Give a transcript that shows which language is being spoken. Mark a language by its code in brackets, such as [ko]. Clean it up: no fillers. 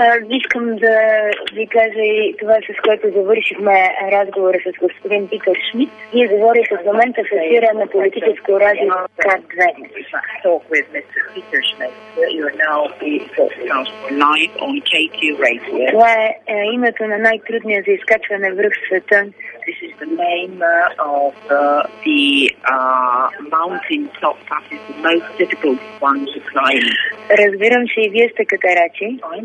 [bg] Искам да ви кажа и това, с което завършихме разговора с господин Питър Шмидт. Ние говорих в момента с ефира на политическо радио К2. Това е името на най-трудния за изкачване връх в света. [en] This is the name of the mountain top. That is the most difficult one to climb. [bg] Разбирам, че и вие сте катарачи.